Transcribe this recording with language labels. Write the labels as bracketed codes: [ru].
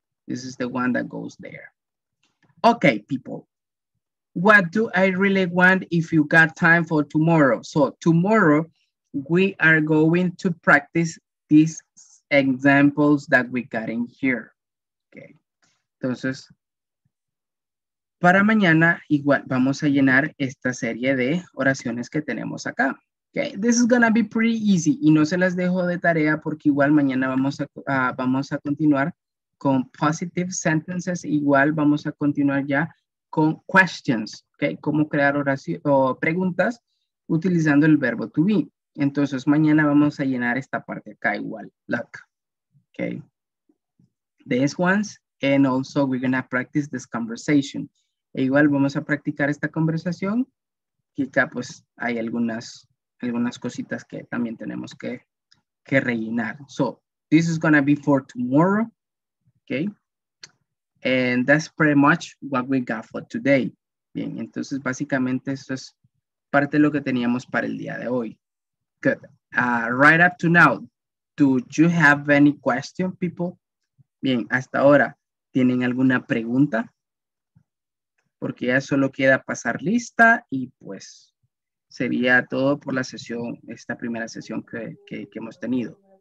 [en] This is the one that goes there. Okay, people. What do I really want if you got time for tomorrow? So tomorrow, we are going to practice these examples that we got in here. Okay. [es] Entonces, para mañana, igual, vamos a llenar esta serie de oraciones que tenemos acá. [en] Okay, this is gonna be pretty easy. [es] Y no se las dejo de tarea porque igual mañana vamos a continuar con [en] positive sentences. [es] Igual vamos a continuar ya con questions. Okay, cómo crear oraciones o preguntas utilizando el verbo to be. Entonces mañana vamos a llenar esta parte acá igual. [en] Look. Okay. These ones. And also we're gonna practice this conversation. [es] E igual vamos a practicar esta conversación. Y acá pues hay algunas cositas que también tenemos que rellenar. [en] So, this is going to be for tomorrow. Okay. And that's pretty much what we got for today. [es] Bien, entonces básicamente esto es parte de lo que teníamos para el día de hoy. [en] Good. Right up to now, do you have any question, people? [es] Bien, hasta ahora, ¿tienen alguna pregunta? Porque ya solo queda pasar lista y pues... sería todo por la sesión, esta primera sesión que hemos tenido.